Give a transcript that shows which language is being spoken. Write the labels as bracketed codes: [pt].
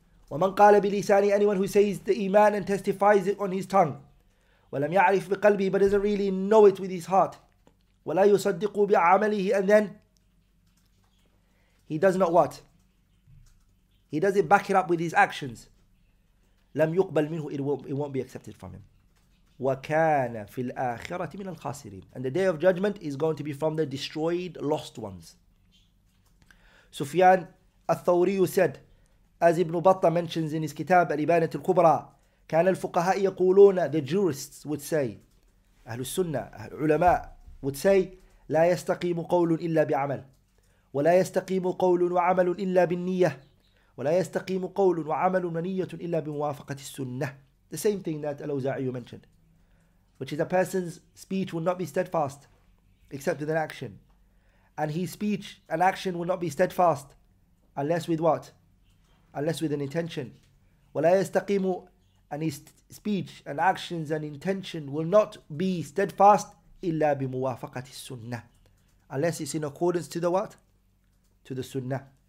[ar] وَمَنْ قَالَ بِلِسَانِي, [en] anyone who says the iman and testifies it on his tongue, [ar] وَلَمْ يَعْرِفْ بِقَلْبِهِ, [en] but doesn't really know it with his heart, [ar] وَلَا يُصَدِّقُ بِعَمَلِهِ, [en] and then he does not what? He doesn't back it up with his actions. [ar] لَمْ يُقْبَلْ مِنْهُ, [en] it won't be accepted from him. [ar] وَكَانَ فِي الْآخِرَةِ مِنَ الْخَاسِرِينَ. [en] And the day of judgment is going to be from the destroyed, lost ones. Sufyan al-Thawri said, as Ibn Battah mentions in his kitab al-Ibanat al-Kubra, [ar] كان الفقهاء يقولون, [en] the jurists would say, [ar] أهل السنة, العلماء would say, لا يستقيم قول إلا بعمل, ولا يستقيم قول وعمل إلا بالنية, ولا يستقيم قول وعمل ونية إلا بموافقة السنة. [en] The same thing that Al-Awza'i mentioned, which is a person's speech will not be steadfast except with an action, and his speech and action will not be steadfast unless with what? Unless with an intention. [ar] وَلَا يَسْتَقِيمُ, [en] and his speech and actions and intention will not be steadfast [ar] إِلَّا بِمُوَافَقَةِ السُّنَّةِ, [en] unless it's in accordance to the what? To the sunnah.